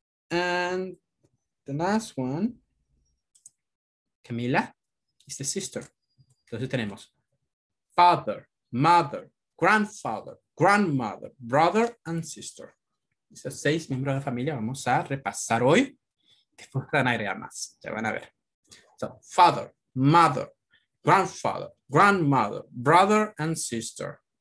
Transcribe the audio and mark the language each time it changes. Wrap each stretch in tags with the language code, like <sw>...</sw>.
<en>And the last one, Camila, is the sister.</en> <es>Entonces tenemos</es> <en>father, mother, grandfather, grandmother, brother and sister.</en> <es>Esos seis miembros de la familia vamos a repasar hoy. Después van a agregar más, ya van a ver.</es> <en>So, father, mother, grandfather, grandmother, brother and sister.</en>